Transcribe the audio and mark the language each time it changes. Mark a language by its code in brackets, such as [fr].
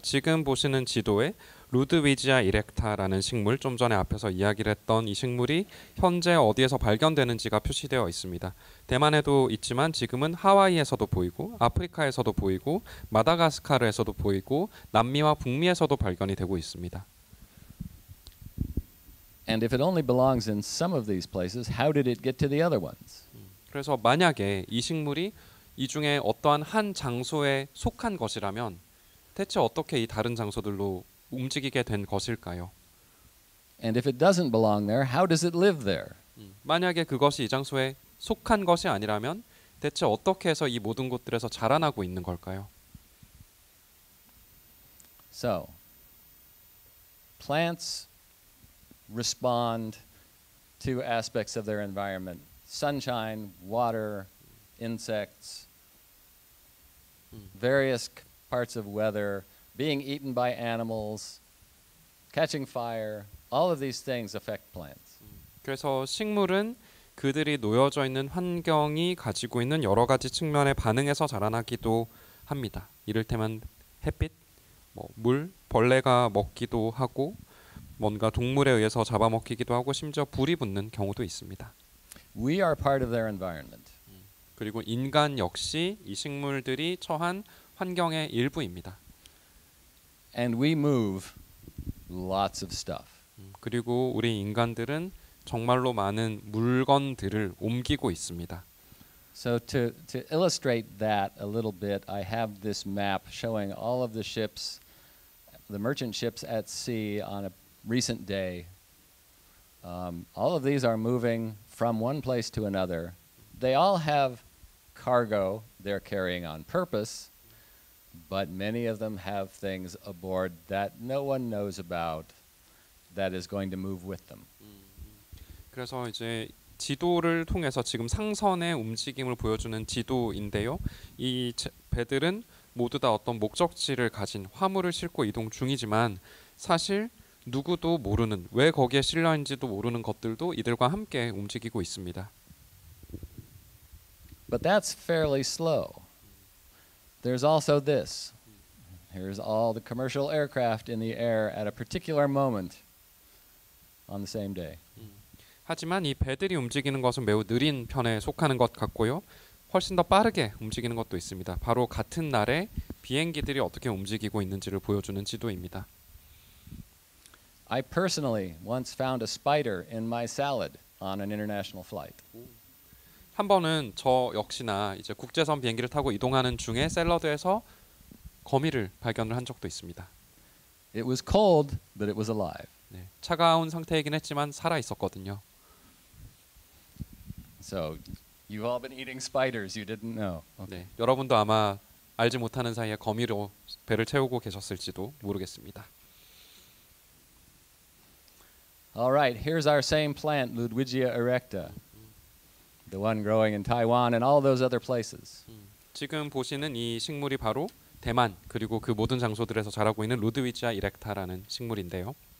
[ko] 지금 보시는 지도에 루드위지아 이렉타라는 식물, 좀 전에 앞에서 이야기를 했던 이 식물이 현재 어디에서 발견되는지가 표시되어 있습니다. 대만에도 있지만 지금은 하와이에서도 보이고 아프리카에서도 보이고 마다가스카르에서도 보이고 남미와 북미에서도 발견이 되고 있습니다. [en] And if it only belongs in some of these places, how did it get to the other ones? [ko] 그래서 만약에 이 식물이 이 중에 어떠한 한 장소에 속한 것이라면 대체 어떻게 이 다른 장소들로 움직이게 된 것일까요? [en] And if it doesn't belong there, how does it live there? [ko] 만약에 그것이 이 장소에 속한 것이 아니라면 대체 어떻게 해서 이 모든 곳들에서 자라나고 있는 걸까요? [en] So, plants respond to aspects of their environment. Sunshine, water, insects, various parts of weather, being eaten by animals, catching fire, all of these things affect plants. [ko] 그래서 식물은 그들이 놓여져 있는 환경이 가지고 있는 여러 가지 측면에 반응해서 자라나기도 합니다. 이를테면 햇빛, 뭐 물, 벌레가 먹기도 하고 뭔가 동물에 의해서 잡아먹히기도 하고 심지어 불이 붙는 경우도 있습니다. [en] We are part of their environment. [ko] 그리고 인간 역시 이 식물들이 처한 환경의 일부입니다. [en] And we move lots of stuff. [ko] 그리고 우리 인간들은 정말로 많은 물건들을 옮기고 있습니다. [en] So to illustrate that a little bit, I have this map showing all of the ships, the merchant ships at sea on a recent day. All of these are moving from one place to another. They all have cargo they're carrying on purpose, but many of them have things aboard that no one knows about that is going to move with them. [ko] 그래서 이제 지도를 통해서 지금 상선의 움직임을 보여주는 지도인데요. 이 배들은 모두 다 어떤 목적지를 가진 화물을 싣고 이동 중이지만 사실 누구도 모르는 왜 거기에 실려 있는지도 모르는 것들도 이들과 함께 움직이고 있습니다. [en] But that's fairly slow. There's also this. Here's all the commercial aircraft in the air at a particular moment on the same day. [ko] 하지만 이 배들이 움직이는 것은 매우 느린 편에 속하는 것 같고요. 훨씬 더 빠르게 움직이는 것도 있습니다. 바로 같은 날에 비행기들이 어떻게 움직이고 있는지를 보여주는 지도입니다. [en] I personally once found a spider in my salad on an international flight. [ko] 한 번은 저 역시나 이제 국제선 비행기를 타고 이동하는 중에 샐러드에서 거미를 발견을 한 적도 있습니다. [en] It was cold, but it was alive. 네, [ko] 차가운 상태이긴 했지만 살아 있었거든요. [en] So, you've all been eating spiders you didn't know. Okay. [ko] 네, 여러분도 아마 알지 못하는 사이에 거미로 배를 채우고 계셨을지도 모르겠습니다. [en] All right, here's our same plant, Ludwigia erecta. The one growing in Taiwan and all those other places. [ko] 지금 보시는 이 식물이 바로 대만 그리고 그 모든 장소들에서 자라고 있는 루드위지아 이렉타라는 식물인데요.